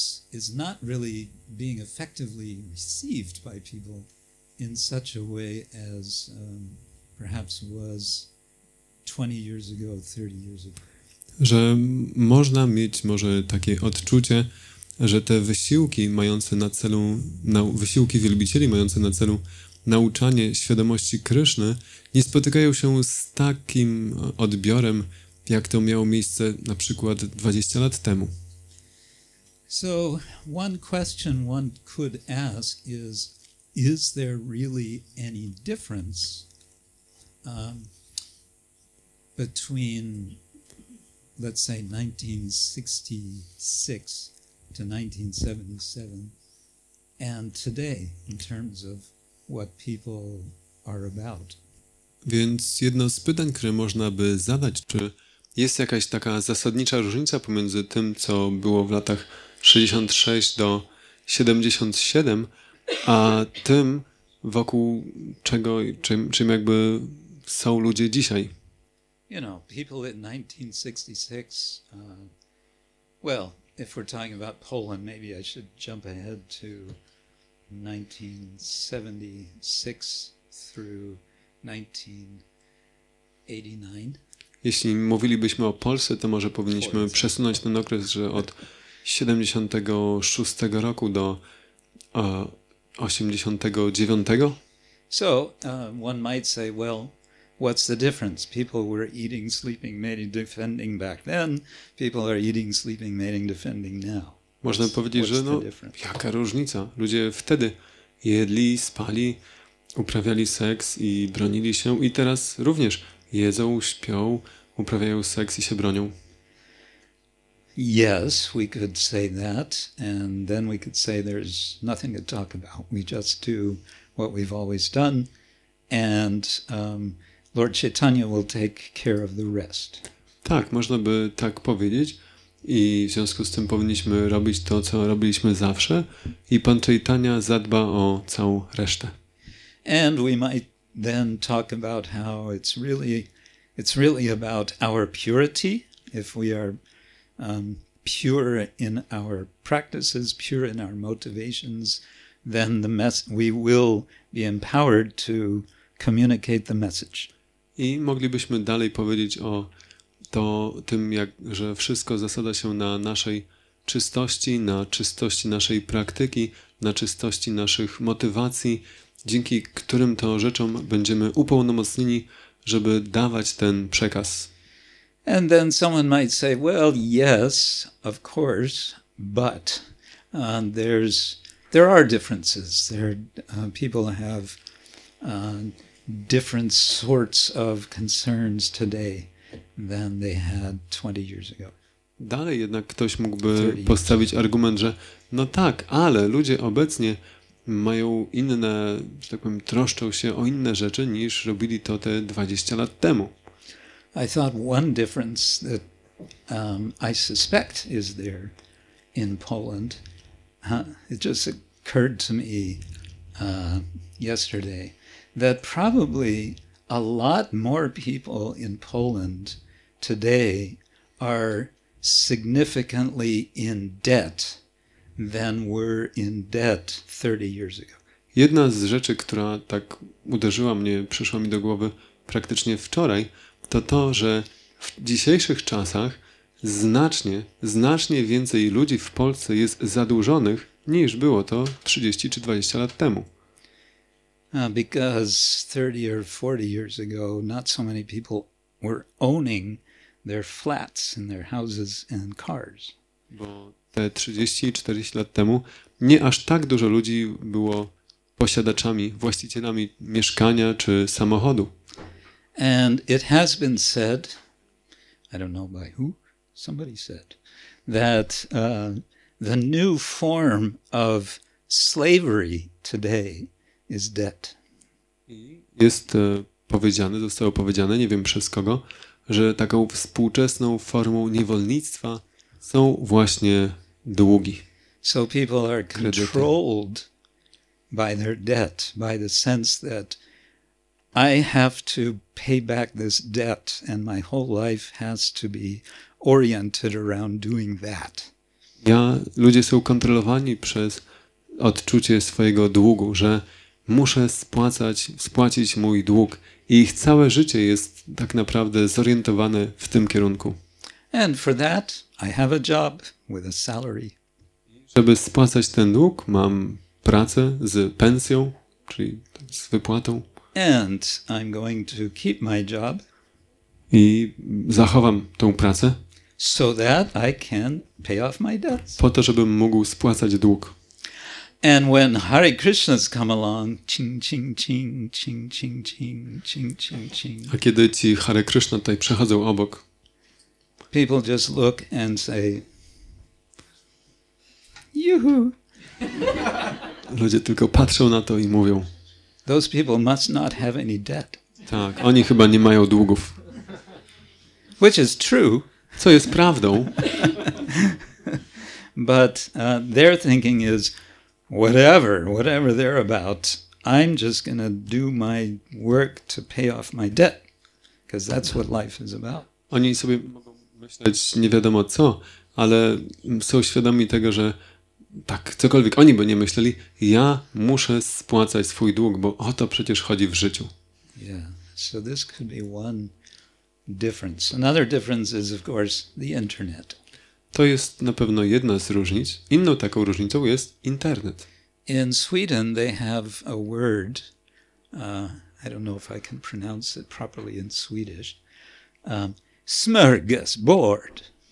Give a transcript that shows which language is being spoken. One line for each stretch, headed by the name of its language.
English: Is not really being effectively received by people in such a way as perhaps was 20 years ago, 30 years ago.
Polish: Że można mieć może takie odczucie, że te wysiłki mające na celu, wysiłki wielbicieli mające na celu nauczanie świadomości Kryszny nie spotykają się z takim odbiorem, jak to miało miejsce na przykład 20 lat temu.
English: So one question one could ask is there really any difference between, let's say, 1966 to 1977 and today in terms of what people are about?
Polish: Więc jedno z pytań, które można by zadać, czy jest jakaś taka zasadnicza różnica pomiędzy tym, co było w latach 66 do 77, a tym, wokół czego, czym jakby są ludzie dzisiaj.
English: You know, people in 1966, well, if we're talking about Poland, maybe I should jump ahead to 1976 through 1989.
Polish: Jeśli mówilibyśmy o Polsce, to może powinniśmy przesunąć ten okres, że od 76 roku do 89.
English: So, one might say, well, what's the difference? People were eating, sleeping, mating, defending back then. People are eating, sleeping, mating, defending now.
Polish: Można powiedzieć, że no, jaka różnica? Ludzie wtedy jedli, spali, uprawiali seks i bronili się i teraz również jedzą, śpią, uprawiają seks i się bronią.
English: Yes, we could say that, and then we could say there's nothing to talk about. We just do what we've always done, and Lord Chaitanya will take care of the rest.
Polish: Tak, można by tak powiedzieć, i w związku z tym powinniśmy robić to, co robiliśmy zawsze, i Pan Chaitanya zadba o całą resztę.
English: And we might then talk about how it's really about our purity, if we are pure in our practices, pure in our motivations, then we will be empowered to communicate the message.
Polish: I moglibyśmy dalej powiedzieć o tym, jak, że wszystko zasada się na naszej czystości, na czystości naszej praktyki, na czystości naszych motywacji, dzięki którym to rzeczom będziemy upełnomocnieni, żeby dawać ten przekaz.
English: And then someone might say, well, yes, of course, but there are differences. People have different sorts of concerns today than they had 20 years ago.
Polish: Dalej jednak ktoś mógłby postawić argument, że no tak, ale ludzie obecnie mają inne, że tak powiem, troszczą się o inne rzeczy niż robili to te 20 lat temu.
English: I thought one difference that I suspect is there in Poland. It just occurred to me yesterday that probably a lot more people in Poland today are significantly in debt than were in debt 30 years ago.
Polish: Jedna z rzeczy, która tak uderzyła mnie, przyszła mi do głowy praktycznie wczoraj, to, że w dzisiejszych czasach znacznie więcej ludzi w Polsce jest zadłużonych niż było to 30 czy 20 lat temu.
English: Because 30 or 40 years ago not so many people were owning their flats and their houses and cars.
Polish: Bo te 30 czy 40 lat temu nie aż tak dużo ludzi było posiadaczami, właścicielami mieszkania czy samochodu.
English: And it has been said, I don't know by who, somebody said, that the new form of slavery today is debt.
Polish: Jest powiedziane, zostało powiedziane, nie wiem przez kogo, że taką współczesną formą niewolnictwa są właśnie długi.
English: So people are controlled by their debt, by the sense that I have to pay back this debt and my whole life has to be oriented around doing that.
Polish: Ja, ludzie są kontrolowani przez odczucie swojego długu, że muszę spłacić mój dług i ich całe życie jest tak naprawdę zorientowane w tym kierunku.
English: And for that I have a job with a salary.
Polish: Żeby spłacać ten dług, mam pracę z pensją, czyli z wypłatą.
English: And I'm going to keep my job.
Polish: I zachowam tą pracę.
English: So that I can pay off my debts.
Polish: Po to, żebym mógł spłacać dług.
English: And when Hare Krishna's come along, ching ching ching ching ching ching ching ching ching.
Polish: A kiedy ci Hare Krishna tutaj przechodzą obok,
English: people just look and say, juhu.
Polish: Ludzie tylko patrzą na to i mówią.
English: Those people must not have any debt.
Polish: Tak, oni chyba nie mają długów.
English: Which is true.
Polish: Co jest prawdą.
English: But their thinking is, whatever they're about, I'm just gonna do my work to pay off my debt. Because that's what life is about.
Polish: Oni sobie mogą myśleć nie wiadomo co, ale są świadomi tego, że tak, cokolwiek oni by nie myśleli, ja muszę spłacać swój dług, bo o to przecież chodzi w życiu.
English: Yeah. So this could be one difference. Another difference is, of course, the internet.
Polish: To jest na pewno jedna z różnic. Inną taką różnicą jest internet.
English: In Sweden they have a word, I don't know if I can pronounce it properly in Swedish, smörgåsbord.